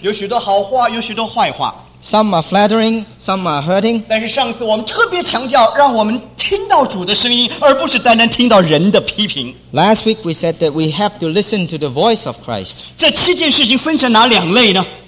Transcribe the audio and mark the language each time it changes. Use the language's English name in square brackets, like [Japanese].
[Chinese] 有许多好话, 有许多坏话, [English] some are flattering, some are hurting. [Chinese] 但是上次我们特别强调, 让我们听到主的声音, 而不是单单听到人的批评。 [English] Last week we said that we have to listen to the voice of Christ. [Chinese] 这七件事情分成哪两类呢?